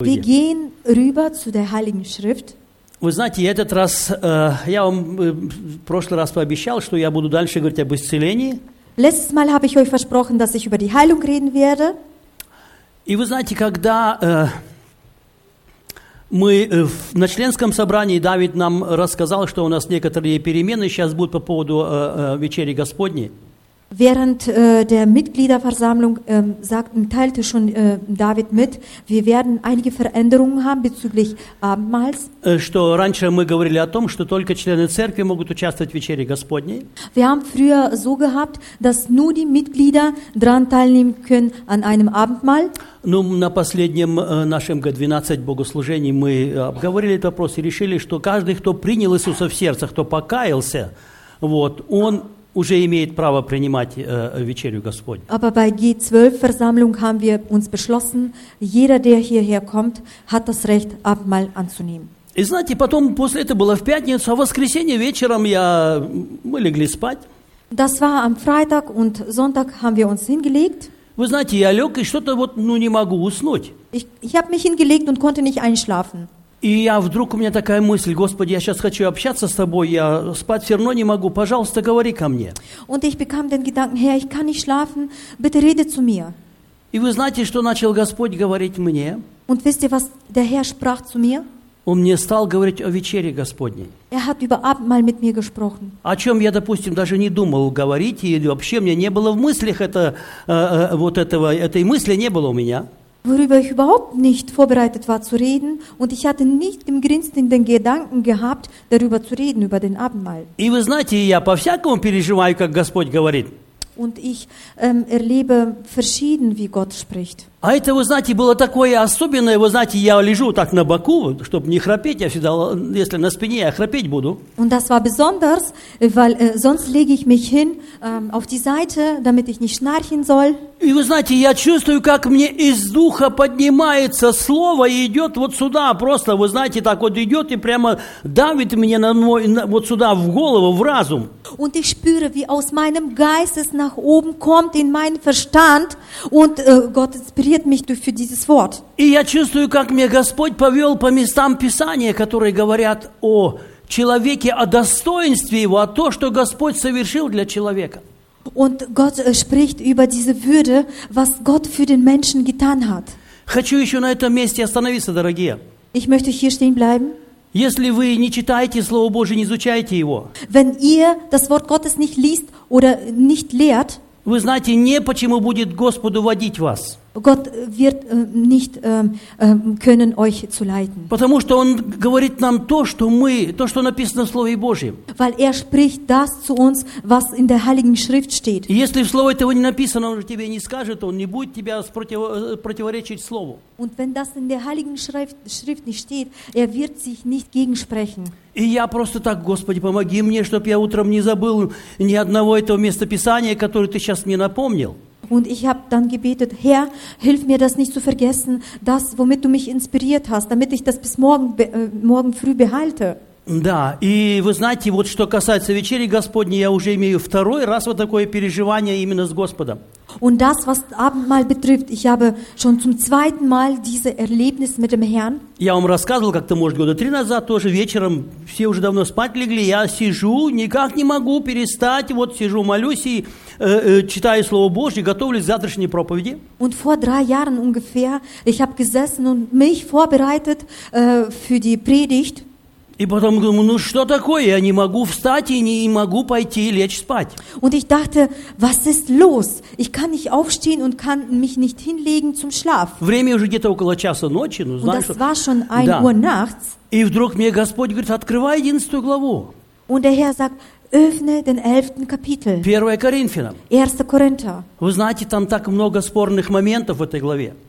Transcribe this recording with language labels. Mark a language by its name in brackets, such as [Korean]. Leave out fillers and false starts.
[German] Wir gehen rüber zu der Heiligen Schrift. [Russian] Вы знаете, этот раз я вам в прошлый раз пообещал, что я буду дальше говорить об исцелении. [German] Letztes Mal habe ich euch versprochen, dass ich über die Heilung reden werde. [Russian] И вы знаете, когда мы на членском собрании Давид нам рассказал, что у нас некоторые перемены сейчас будут по поводу вечери Господней. [German] Während der Mitgliederversammlung teilte schon David mit, wir werden einige Veränderungen haben bezüglich Abendmahls. [Russian] Что раньше мы говорили о том, что только члены церкви могут участвовать в вечере Господней. [German] Wir haben früher so gehabt, dass nur die Mitglieder dran teilnehmen können an einem Abendmahl. [Russian] Ну, на последнем нашем G12 богослужении мы обговорили этот вопрос и решили, что каждый, кто принял Иисуса в сердце, кто покаялся, вот, он уже имеет право принимать вечерю Господню. [German] Aber bei G12-Versammlung haben wir uns beschlossen, jeder, der hierher kommt, hat das Recht, Abendmahl anzunehmen. [Russian] И знаете, потом, после этого было в пятницу, а в воскресенье вечером мы легли спать. [German] Das war am Freitag und Sonntag haben wir uns hingelegt. [Russian] Вы знаете, я лег и что-то вот, ну, не могу уснуть. [German] Ich habe mich hingelegt und konnte nicht einschlafen. [Russian] И я вдруг, у меня такая мысль, Господи, я сейчас хочу общаться с Тобой, я спать все равно не могу, пожалуйста, говори ко мне. [German] Und ich bekam den Gedanken, Herr, ich kann nicht schlafen, bitte rede zu mir. [Russian] И вы знаете, что начал Господь говорить мне? [German] Und wisst ihr, was der Herr sprach zu mir? [Russian] Он мне стал говорить о вечере Господней. [German] Er hat über Abendmahl mit mir gesprochen. [Russian] О чем я, допустим, даже не думал говорить, и вообще у меня не было в мыслях этой мысли не было у меня. [German] Worüber ich überhaupt nicht vorbereitet war zu reden und ich hatte nicht im Grinsen den Gedanken gehabt, darüber zu reden, über den Abendmahl. [Russian] И вы знаете, я по-всякому переживаю, как Господь говорит. [German] Und ich erlebe verschieden, wie Gott spricht. [Russian] А это, вы знаете, было такое особенное, вы знаете, я лежу так на боку, чтобы не храпеть, я всегда, если на спине, я храпеть буду. [German] Und das war besonders, weil sonst lege ich mich hin auf die Seite, damit ich nicht schnarchen soll. [Russian] И вы знаете, я чувствую, как мне из духа поднимается слово и идет вот сюда, просто, вы знаете, так вот идет и прямо давит мне вот сюда в голову, в разум. [German] Und ich spüre, wie aus meinem Geist es nach oben kommt in meinen Verstand und Gott inspiriert mich für dieses Wort. [Russian] И я чувствую, как мне Господь повел по местам Писания, которые говорят о человеке, о достоинстве его, о том, что Господь совершил для человека. [German] Und Gott spricht über diese Würde, was Gott für den Menschen getan hat. [Russian] Хочу еще на этом месте остановиться, дорогие. [German] Ich möchte hier stehen bleiben. [Russian] Если вы не читаете Слово Божие, не изучаете его. [German] Wenn ihr das Wort Gottes nicht liest oder nicht lehrt. [Russian] Вы знаете не почему будет Господу водить вас. [German] Gott wird nicht können euch zu leiten. [Russian] Потому что он говорит нам то, что написано в Слове Божьем. [German] Weil er spricht das zu uns, was in der Heiligen Schrift steht. [Russian] Если в Слове этого не написано, он же тебе не скажет, он не будет тебя противоречить Слову. [German] Und wenn das in der Heiligen Schrift nicht steht, er wird sich nicht gegensprechen. [Russian] И я просто так, Господи, помоги мне, чтобы я утром не забыл ни одного этого места Писания, которое ты сейчас мне напомнил. [German] Und ich habe dann gebetet, Herr, hilf mir das nicht zu vergessen, das, womit du mich inspiriert hast, damit ich das bis morgen früh behalte. [Russian] Да, и вы знаете, вот что касается вечери Господней, я уже имею второй раз вот такое переживание именно с Господом. [German] Und das, was Abendmahl betrifft, ich habe schon zum zweiten Mal diese Erlebnis mit dem Herrn. [Russian] Я вам рассказывал, как-то, может, года три назад тоже вечером, все уже давно спать легли, я сижу, никак не могу перестать, вот сижу, молюсь и читаю Слово Божье, готовлюсь к завтрашней проповеди. [German] Und vor drei Jahren ungefähr, ich habe gesessen und mich vorbereitet für die Predigt. [Russian] И потом думаю, ну что такое, я не могу встать и не могу пойти и лечь спать. [German] Und ich dachte, was ist los? Ich kann nicht aufstehen und kann mich nicht hinlegen zum Schlaf. [Russian] Время уже где-то около часа ночи, ну знаешь. [German] Und das war schon 1 Uhr nachts. [Russian] И вдруг мне Господь говорит, открывай 11 главу. [German] Und der Herr sagt, öffne den 11. Kapitel. [Russian] 1 Коринфянам. [German] 1. Korinther. [Russian] Вы знаете, там так много спорных моментов в этой главе.